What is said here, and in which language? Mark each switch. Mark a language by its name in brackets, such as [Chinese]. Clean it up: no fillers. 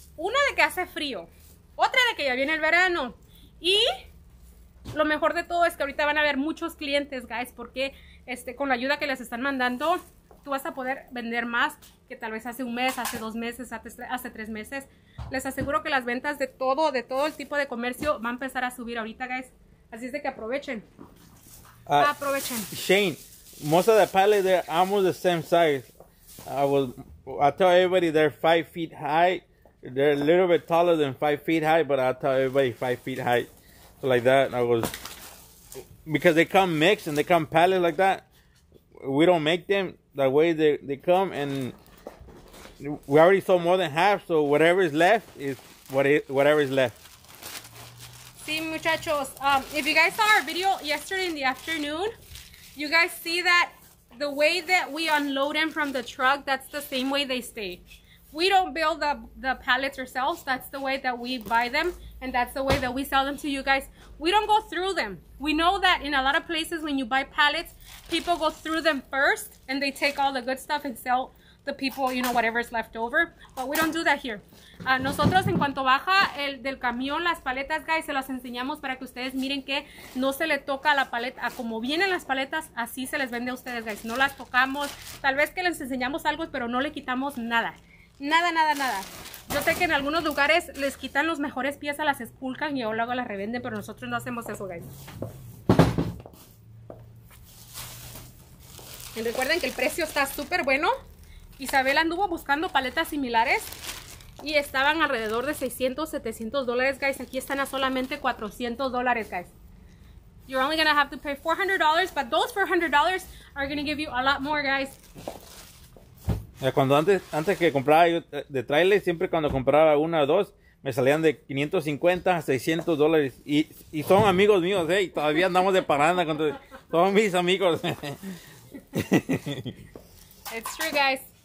[Spanish] Una de que hace frío, otra de que ya viene el verano. Y lo mejor de todo es que ahorita van a haber muchos clientes, guys, porque con la ayuda que les están mandando, tú vas a poder vender más que tal vez hace un mes, hace 2 meses, hace 3 meses. Les aseguro que las ventas de todo el tipo de comercio va a empezar a subir ahorita, guys. Así es de que aprovechen. Aprovechen. [English] Shane, most of the pallets are almost the same size. I tell everybody they're 5 feet high. They're a little bit taller than 5 feet high, but I tell everybody 5 feet high. So like that, because they come mixed and they come pallets like that. We don't make them the way they come, and we already sold more than half, so whatever is left is whatever is left. [Spanish] Sí, muchachos. [English] If you guys saw our video yesterday in the afternoon, you guys see that the way that we unload them from the truck, that's the same way they stay. We don't build the pallets ourselves. That's the way that we buy them, and that's the way that we sell them to you guys. We don't go through them. We know that in a lot of places when you buy pallets, people go through them first, and they take all the good stuff and sell the people, you know, whatever's left over. But we don't do that here. [Spanish] Nosotros, en cuanto baja el del camión, las paletas, guys, se las enseñamos para que ustedes miren que no se le toca la paleta. Como vienen las paletas, así se les vende a ustedes, guys. No las tocamos. Tal vez que les enseñamos algo, pero no le quitamos nada. Nada, nada, nada. Yo sé que en algunos lugares les quitan los mejores piezas, las esculcan y luego las revenden, pero nosotros no hacemos eso, guys. Y recuerden que el precio está súper bueno. Isabel anduvo buscando paletas similares y estaban alrededor de $600-$700, guys. Aquí están a solamente $400, guys. [English] You're only gonna have to pay $400, but those $400 are gonna give you a lot more, guys. [Spanish] Cuando antes que compraba yo de trailer, siempre cuando compraba una o dos, me salían de $550 a $600. Y son amigos míos, ¿eh? Y todavía andamos de parranda con todos mis amigos. [English] It's true, guys.